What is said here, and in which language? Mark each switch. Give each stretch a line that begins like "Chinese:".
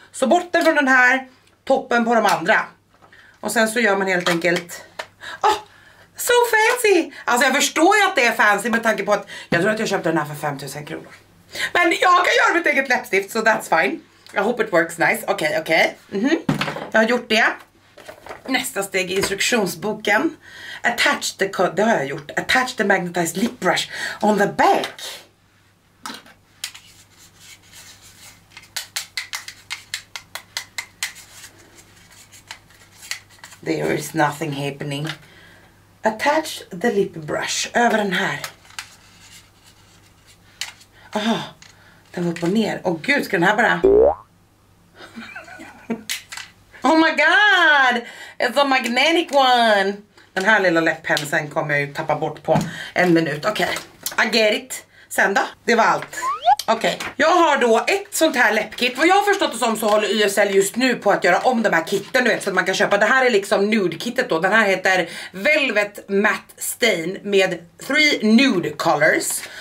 Swedish: Så botten från den här, toppen på de andra. Och sen så gör man helt enkelt,
English: so fancy.
Swedish: Alltså jag förstår ju att det är fancy med tanke på att jag tror att jag köpte den här för 5000 kronor. Men jag kan göra mitt eget läppstift,
English: so that's fine. I hope it works nice,
Swedish: okej, okay, okej, okay. Mhm. Jag har gjort det. Nästa steg i instruktionsboken.
English: Attach the,
Swedish: det har jag gjort.
English: Attach the magnetized lip brush on the back. There is nothing happening. Attach the lip brush
Swedish: över den här. Aha. Den var upp och ner. Åh gud, ska den här bara.
English: Oh my god, it's a magnetic one.
Swedish: Den här lilla läpppenseln kommer jag ju tappa bort på en minut. Okej, okay.
English: I get it.
Swedish: Sen då, det var allt. Okej, okay. Jag har då ett sånt här läppkit. Vad jag har förstått det som, så håller YSL just nu på att göra om de här kitten, du vet, så att man kan köpa. Det här är liksom nude-kittet då. Den här heter Velvet Matte Stain med 3 nude colors.